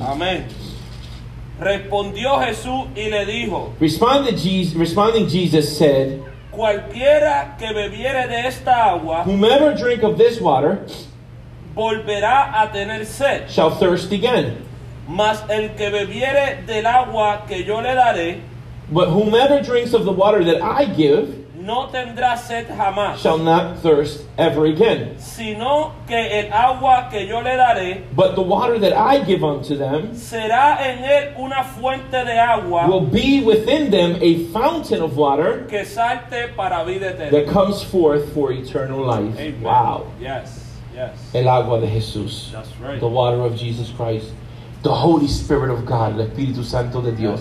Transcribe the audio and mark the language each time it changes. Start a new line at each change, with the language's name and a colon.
Spanish: Amén. Respondió Jesús y le dijo,
English: Responding Jesus said,
Spanish: cualquiera que bebiere de esta agua,
English: whomever drink of this water,
Spanish: volverá a tener sed,
English: shall thirst again.
Spanish: Mas el que bebiere del agua que yo le daré,
English: but whomever drinks of the water that I give,
Spanish: no tendrá sed jamás,
English: shall not thirst ever again.
Spanish: Sino que el agua que yo le daré,
English: but the water that I give unto them,
Spanish: será en él una fuente de agua,
English: will be within them a fountain of water,
Spanish: que salte para vida eterna,
English: that comes forth for eternal life. Amen. Wow. Yes, yes.
Spanish: El agua de Jesús.
English: That's right. The water of Jesus Christ. The Holy Spirit of God,
Spanish: el Espíritu Santo de Dios.